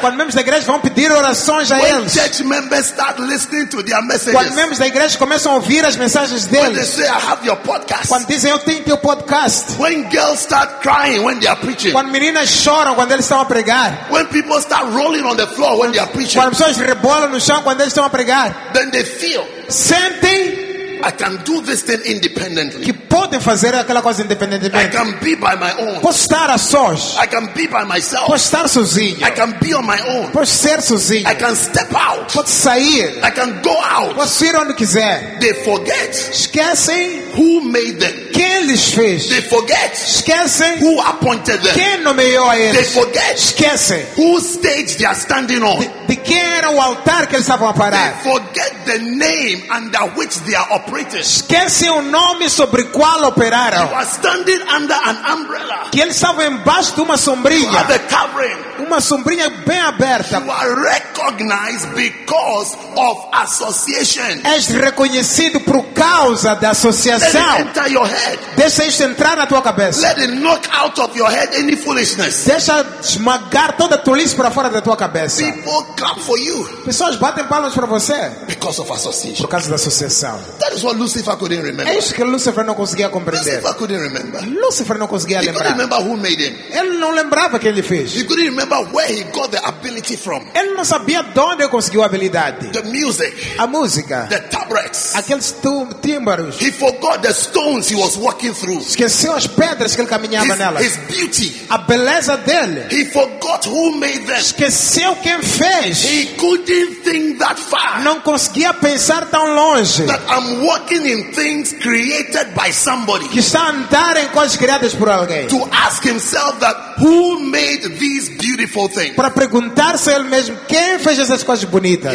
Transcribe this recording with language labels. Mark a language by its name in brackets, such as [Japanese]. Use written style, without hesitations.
[Portuguese] quando membros da igreja vão pedir orações a eles, [English] when church members start listening to their messages, [Portuguese] quando membros da igreja começam a ouvir as mensagens deles, [English] when they say I have your podcast, [Portuguese] quando dizem eu tenho teu podcast, [English] when girls start crying when they are preaching, [Portuguese] quando meninas choram quando eles estão a pregar, [English] when people start rolling on the floor when they are preaching, [Portuguese] quando pessoas rebolam no chão quando eles estão a pregar, [English] then they feel same thing. I can do this thing independently. [Portuguese] Que pode fazer aquela coisa independentemente. [English] I can be by my own. [Portuguese] Posso estar a sós. [English] I can be by myself. [Portuguese] Posso estar sozinho. [English] I can be on my own. [Portuguese] Posso ser sozinho. [English] I can step out. [Portuguese] Posso sair. [English] I can go out. [Portuguese] Posso ir onde quiser. [English] They forget. [Portuguese] Esquecem. [English] Who made them? [Portuguese] Quem lhes fez? [English] They forget. [Portuguese] Esquecem. [English] Who appointed them? [Portuguese] Quem nomeou a eles? [English] They forget. [Portuguese] Esquecem. [English] Who stage they are standing on? [Portuguese] De quem era o altar que eles estavam a parar? [English] They forget the name under which they are operating. [Portuguese] Esquece o nome sobre qual operaram. [English] You are standing under an umbrella. [Portuguese] Que eles estavam embaixo de uma sombrinha. [English] You are the covering. [Portuguese] Uma sombrinha bem aberta. [English] You are recognized because of association. [Portuguese] És reconhecido por causa da associação. [English] Let it enter your head. [Portuguese] Deixa isso entrar na tua cabeça. [English] Let it knock out of your head any foolishness. [Portuguese] Deixa esmagar toda a tolice para fora da tua cabeça. [English] People clap for you. [Portuguese] Pessoas batem palmas para você. [English] Because of association. [Portuguese] Por causa da associação. [English] That is what Lucifer couldn't remember. [Portuguese] É isso que Lucifer não conseguia compreender. [English] Lucifer couldn't remember. [Portuguese] Lucifer não conseguia [English] he [Portuguese] lembrar. [English] Couldn't remember who made him. [Portuguese] Ele não lembrava quem ele fez. [English] He couldn't remember where he got the ability from. [Portuguese] Ele não sabia de onde ele conseguiu a habilidade. [English] The music. [Portuguese] A música. [English] The tablets. [Portuguese] Aqueles timbres. [English] He forgot the stones he was walking through. [Portuguese] Esqueceu as pedras que ele caminhava nelas. [English] His beauty. [Portuguese] A beleza dele. [English] He forgot who made them. [Portuguese] Esqueceu quem fez. [English] He couldn't think that far. [Portuguese] Não conseguia pensar tão longe. [English] I'm walking in things created by somebody. [Portuguese] Que está a andar em coisas criadas por alguém. [English] To ask himself that who made these beautiful things. [Portuguese] Para perguntar-se ele mesmo quem fez essas coisas bonitas.